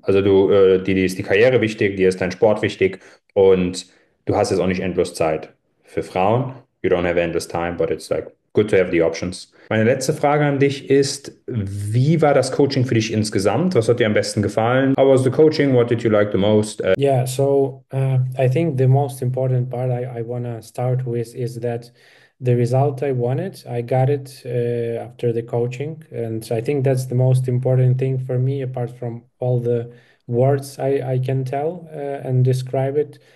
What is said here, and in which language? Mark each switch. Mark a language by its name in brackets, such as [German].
[German] Also du, dir ist die Karriere wichtig, dir ist dein Sport wichtig und du hast jetzt auch nicht endlos Zeit für Frauen. [English] You don't have endless time, but it's like good to have the options. [German] Meine letzte Frage an dich ist, wie war das Coaching für dich insgesamt? Was hat dir am besten gefallen? [English] How was the coaching? What did you like the most? Yeah, so I think the most important part I want to start with is that the result I wanted, I got it after the coaching. And I think that's the most important thing for me, apart from all the words I can tell and describe it.